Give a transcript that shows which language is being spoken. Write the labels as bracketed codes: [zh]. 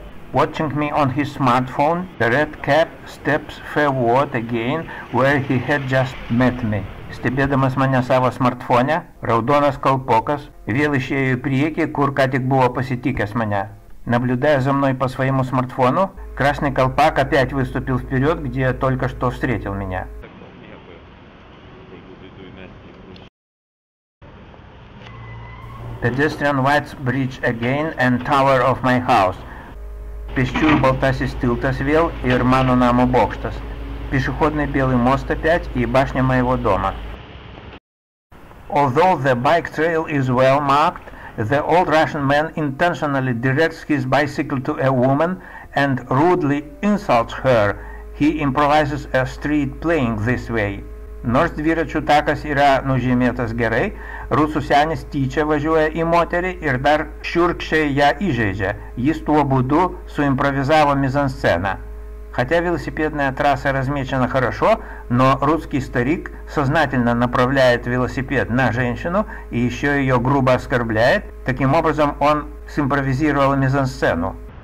[en] Watching me on his smartphone, the red cap steps forward again where he had just met me. [lt] Stebėdamas mane savo smartfone, raudonas kalpokas vėl išėjo į priekį, kur ką tik buvo pasitikęs mane. [ru] Наблюдая за мной по своему смартфону, красный колпак опять выступил вперед, где только что встретил меня. [en] Pedestrian White's Bridge again and tower of my house. [lt] Пешчур болтасис тилтас вел и рману наму бокштас. [ru] Пешеходный белый мост опять и башня моего дома. [en] Although the bike trail is well marked, the old Russian man intentionally directs his bicycle to a woman and rudely insults her. He improvises a street playing this way. [lt] Nors dviračių takas yra nužymėtas gerai, rusų senis tyčia važiuoja į moterį ir dar šiurkščiai ją įžeidžia. Jis tuo būdu suimprovizavo mizansceną. [ru] Хотя велосипедная трасса размечена хорошо, но русский старик сознательно направляет велосипед на женщину и еще ее грубо оскорбляет. Таким образом, он симпровизировал мизансцену.